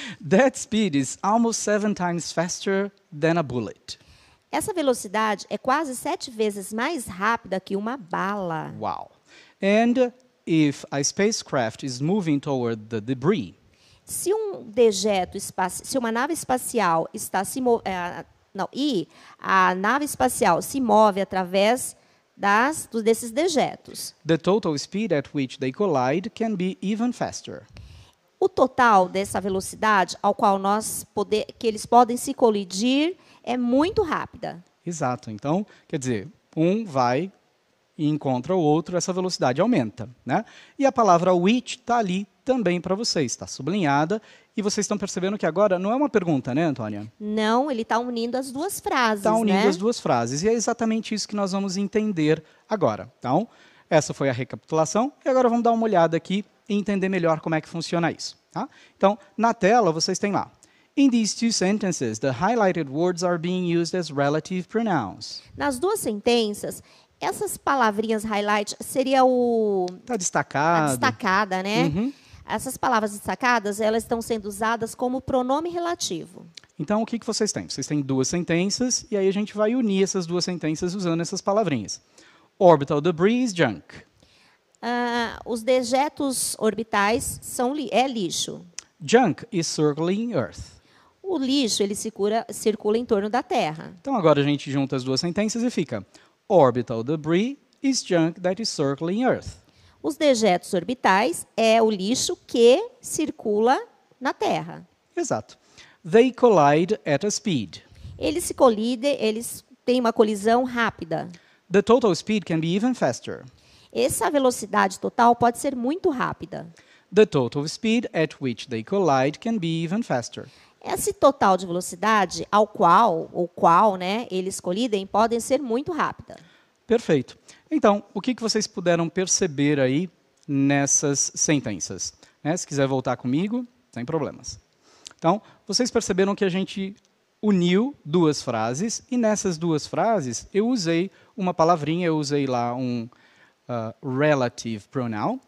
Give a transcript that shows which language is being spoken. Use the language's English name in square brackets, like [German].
[English] That speed is almost 7 times faster than a bullet. [Portuguese] Essa velocidade é quase 7 vezes mais rápida que uma bala. [English] Wow. And if a spacecraft is moving toward the debris, [Portuguese] Se a nave espacial se move através desses dejetos. [English] The total speed at which they collide can be even faster. [Portuguese] O total dessa velocidade ao qual eles podem se colidir é muito rápida. Exato. Então, quer dizer, um vai e encontra o outro, essa velocidade aumenta, né? E a palavra which está ali também para vocês, está sublinhada. E vocês estão percebendo que agora não é uma pergunta, né, Antônia? Não, ele está unindo as duas frases, Está unindo, né, as duas frases. E é exatamente isso que nós vamos entender agora. Então, essa foi a recapitulação. E agora vamos dar uma olhada aqui e entender melhor como é que funciona isso. Tá? Então, na tela, vocês têm lá. [English] In these two sentences, the highlighted words are being used as relative pronouns. [Portuguese] Nas duas sentenças, essas palavrinhas highlight seria o... Está destacado. A destacada, né? Uhum. Essas palavras destacadas, elas estão sendo usadas como pronome relativo. Então, o que vocês têm? Vocês têm duas sentenças e aí a gente vai unir essas duas sentenças usando essas palavrinhas. [English] Orbital debris is junk. [Portuguese] os dejetos orbitais são lixo. [English] Junk is circling Earth. [Portuguese] O lixo, ele circula em torno da Terra. Então agora a gente junta as duas sentenças e fica: [English] orbital debris is junk that is circling Earth. [Portuguese] Os dejetos orbitais é o lixo que circula na Terra. [English] Exato. They collide at a speed. [Portuguese] Eles têm uma colisão rápida. [English] The total speed can be even faster. [Portuguese] Essa velocidade total pode ser muito rápida. [English] The total speed at which they collide can be even faster. [Portuguese] Esse total de velocidade ao qual ou qual, né, eles colidem podem ser muito rápida. Perfeito. Então, o que vocês puderam perceber aí nessas sentenças? Né? Se quiser voltar comigo, sem problemas. Então, vocês perceberam que a gente uniu duas frases e nessas duas frases eu usei uma palavrinha, eu usei lá um relative pronoun.